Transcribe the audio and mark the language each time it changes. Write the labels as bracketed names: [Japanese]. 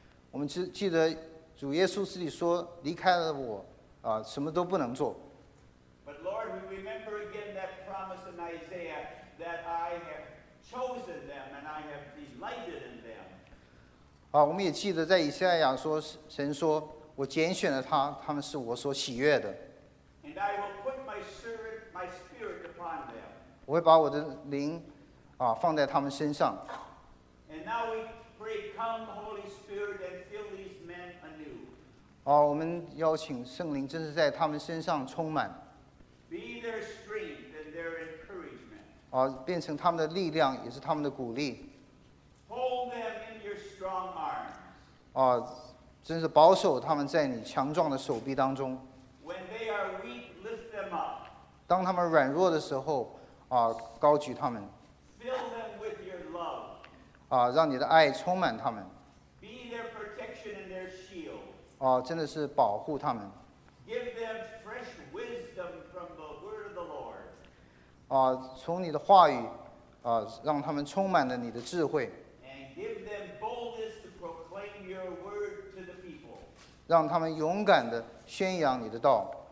[Chinese] 我们记得主耶稣自己说，离开了我啊，什么都不能做。 [English] But Lord, we remember again that promise in Isaiah that I have chosen them and I have delighted in them。 [Chinese] 啊，我们也记得在以赛亚说，神说我拣选了他们是我所喜悦的。 [English] And I will put my spirit upon them。 [Chinese] 我会把我的灵啊放在他们身上。 [English] And now we pray, come Holy Spirit and fill these men anew。 [Chinese] 哦，我们邀请圣灵真是在他们身上充满。 [English] Be their strength and their encouragement。 [Chinese] 哦，变成他们的力量，也是他们的鼓励。 [English] Hold them in your strong arms。 [Chinese] 哦，真是保守他们在你强壮的手臂当中。 [English] When they are weak, lift them up。 [Chinese] 当他们软弱的时候，啊，高举他们。 [English] Fill them with your love。 [Chinese] 啊，让你的爱充满他们。 [English] Be their protection and their shield。 [Chinese] 啊，真的是保护他们。 [English] Give them fresh wisdom from the word of the Lord。 [Chinese] 啊，从你的话语，啊，让他们充满了你的智慧。 [English] And give them boldness to proclaim your word to the people。 [Chinese] 让他们勇敢地宣扬你的道。